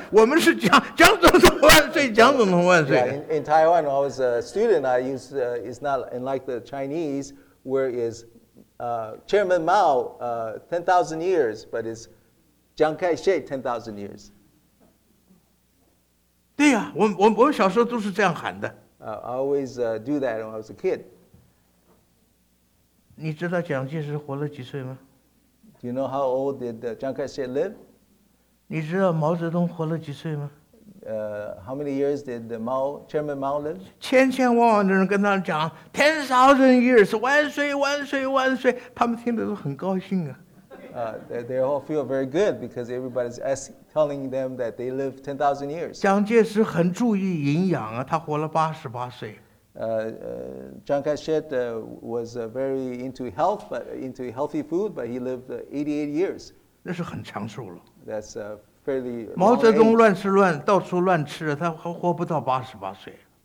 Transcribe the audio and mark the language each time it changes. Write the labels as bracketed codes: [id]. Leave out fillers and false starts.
[zh] 我们是蒋总统万岁，蒋总统万岁。 [en] Yeah, in Taiwan, I was a student. I used it's not unlike the Chinese, where is. Chairman Mao, 10,000 years, but it's Chiang Kai-shek, 10,000 years. [zh] 对呀，我小时候都是这样喊的。 [en] I always do that when I was a kid. [zh] 你知道蒋介石活了几岁吗 [en] ？Do you know how old did Chiang Kai-shek live? [zh] 你知道毛泽东活了几岁吗？ [en] How many years did Chairman Mao live? [zh] 千千万万的人跟他讲 [en] 10,000 years, [zh] 万岁万岁万岁，他们听得都很高兴啊。 [en] They all feel very good because everybody's telling them that they live 10,000 years. [zh] 蒋介石很注意营养啊，他活了88岁。 [en] Chiang Kai-shek was very into health, but into healthy food, but he lived 88 years. [zh] 那是很长寿了。 [en] That's [zh] 毛泽东乱吃乱到处乱吃，他活不到88岁。